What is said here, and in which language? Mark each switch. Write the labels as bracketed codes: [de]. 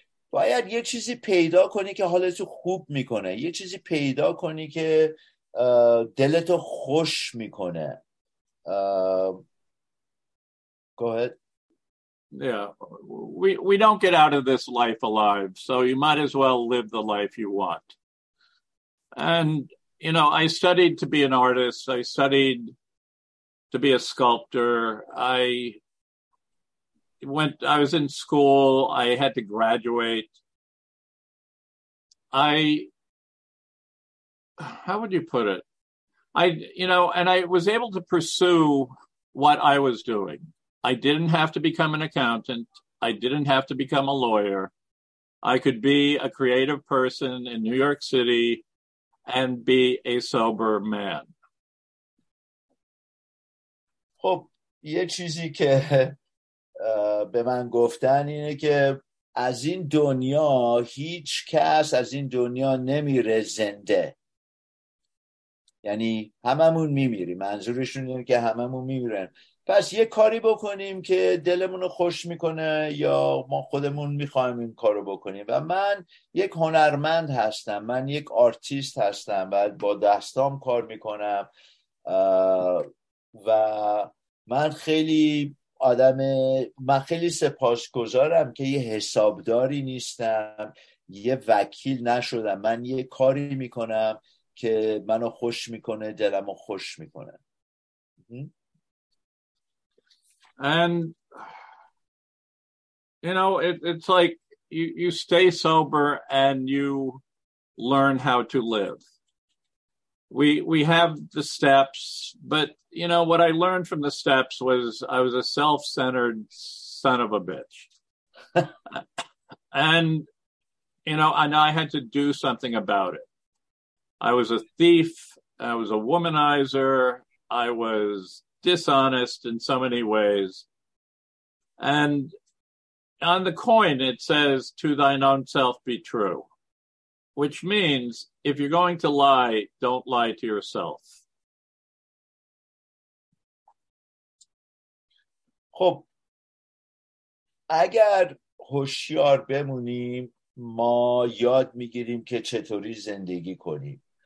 [fa] باید یه چیزی پیدا کنی که حالتو خوب میکنه، یه چیزی پیدا کنی که دلتو خوش میکنه. [en] Go ahead. Yeah, we don't get out of this life alive, so you might as well live the life you want. And you know, I studied to be an artist. I studied to be a sculptor. I was in school. I had to graduate. How would you put it? I was able to pursue what I was doing. I didn't have to become an accountant. I didn't have to become a lawyer. I could be a creative person in New York City and be a sober man. [fa] خب یه چیزی که به من گفتن اینه که از این دنیا هیچ کس از این دنیا نمیره زنده. یعنی هممون میمیریم، منظورشون اینه که هممون میمیریم. پس یه کاری بکنیم که دلمون رو خوش میکنه یا ما خودمون میخوایم این کار رو بکنیم. و من یک هنرمند هستم، من یک آرتیست هستم و با دستام کار میکنم و من خیلی آدم، من خیلی سپاسگزارم که یه حسابداری نیستم، یه وکیل نشدم. من یه کاری میکنم که منو خوش میکنه، دلمو خوش میکنه. [en] And you know, it's like you stay sober and you learn how to live. We have the steps, but you know what I learned from the steps was I was a self-centered son of a bitch. And you know, and I had to do something about it. I was a thief, I was a womanizer, I was dishonest in so many ways. And on the coin, it says, to thine own self be true, which means if you're going to lie, don't lie to yourself. [fa] خب اگر هوشیار بمونیم، ما یاد میگیریم که چطوری زندگی کنیم.